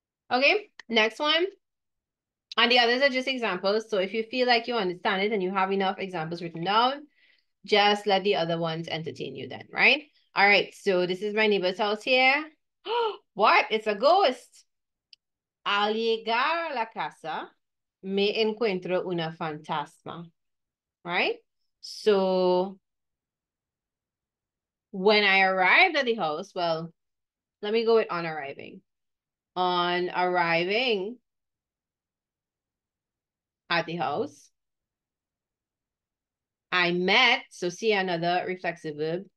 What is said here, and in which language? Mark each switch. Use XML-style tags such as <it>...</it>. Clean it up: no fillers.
<en>Okay, next one. And the others are just examples. So if you feel like you understand it and you have enough examples written down, just let the other ones entertain you then, right? All right, so this is my neighbor's house here. What? It's a ghost.</en> <es>Al llegar a la casa, me encuentro una fantasma.</es> <en>Right? So, when I arrived at the house, well, let me go with on arriving. On arriving at the house, I met, so see another reflexive verb.</en>